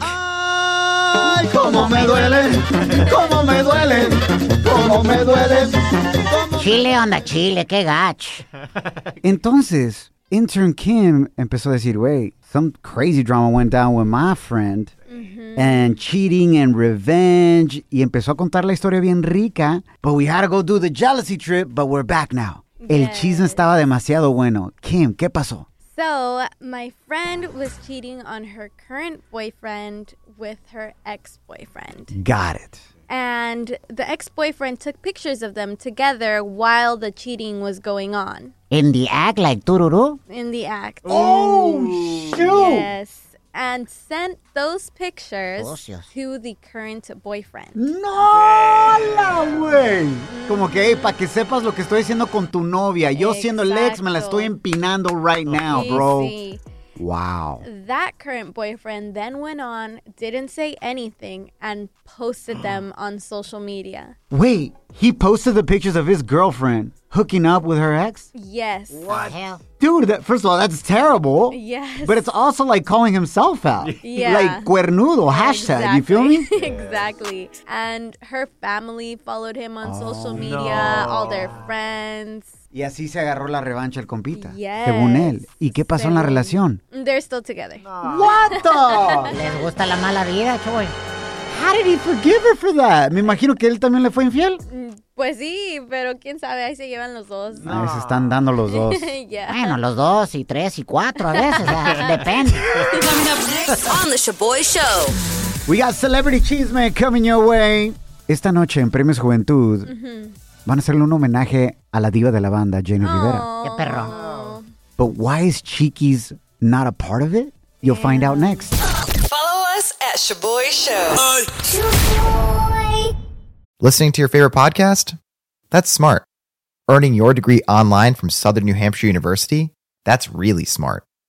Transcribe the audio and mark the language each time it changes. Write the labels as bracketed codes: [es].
[es] ay, cómo me duele, cómo me duele, cómo me duele. Chile onda chile, qué gach. Entonces, [en] intern Kim [es] empezó a decir, [en] wait, some crazy drama went down with my friend. And cheating and revenge. [es] Y empezó a contar la historia bien rica. [en] But we had to go do the jealousy trip, but we're back now. [es] Yes. El chisme estaba demasiado bueno. Kim, ¿qué pasó? [en] So, my friend was cheating on her current boyfriend with her ex-boyfriend. Got it. And the ex-boyfriend took pictures of them together while the cheating was going on. In the act, like tururu? In the act. Oh, shoot! Yes. And sent those pictures to the current boyfriend. [es] ¡No, la wey! Como que, hey, para que sepas lo que estoy haciendo con tu novia. Yo siendo el ex, me la estoy empinando [en] right now, bro. Wow. That current boyfriend then went on, didn't say anything, and posted them on social media. Wait, he posted the pictures of his girlfriend hooking up with her ex? Yes. What the hell? Dude, that, first of all, that's terrible. Yes. But it's also like calling himself out. Yeah. Like cuernudo, hashtag, exactly. You feel me? Exactly. And her family followed him on social media, all their friends. [es] Y así se agarró la revancha el compita. [en] Yes. [es] Según él. ¿Y qué pasó en la relación? [en] They're still together. Aww. What the? [es] Les gusta la mala vida, Choy. [en] How did he forgive her for that? [es] Me imagino que él también le fue infiel. Pues sí, pero quién sabe, ahí se llevan los dos. No. A veces están dando los dos. [en] Yeah. [es] Bueno, los dos y tres y cuatro a veces. Depende. [en] Coming up next on the Shaboy Show. We got celebrity chisme coming your way. [es] Esta noche en Premios Juventud van a hacerle un homenaje a la diva de la banda, Jenny Rivera. Qué perro. [en] But why is Cheeky's not a part of it? You'll find out next. Follow us at Shaboy Show. Listening to your favorite podcast? That's smart. Earning your degree online from Southern New Hampshire University? That's really smart.